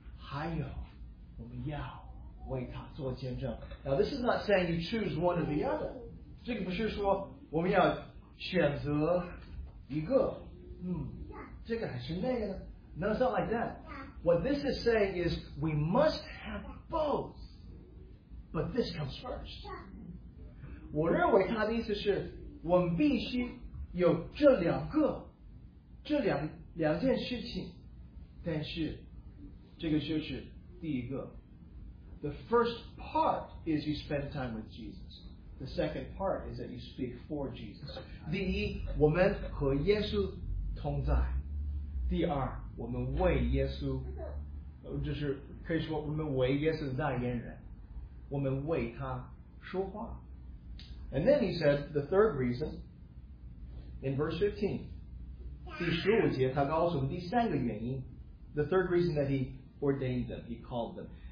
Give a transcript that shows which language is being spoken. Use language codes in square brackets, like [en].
[zh] 我们必须和耶稣一起，在一起，还有我们要。为他做见证。 [en] Now this is not saying you choose one or the other. [zh] 这个不是说我们要选择一个，这个还是那个呢？ [en] No, it's not like that. What this is saying is we must have both, but this comes first. [zh] 我认为他的意思是，我们必须有这两个这两件事情, 但是, 这个就是第一个, [en] the first part is you spend time with Jesus. The second part is that you speak for Jesus. [zh] 第一, 我们和耶稣同在。第二, 我们为耶稣, 就是, 可以说, 我们为耶稣的代言人, 我们为他说话。 [en] And then he said the third reason in verse 15. [zh] 第十五节, 他告诉我们第三个原因, [en] the third reason that he ordained them, he called them.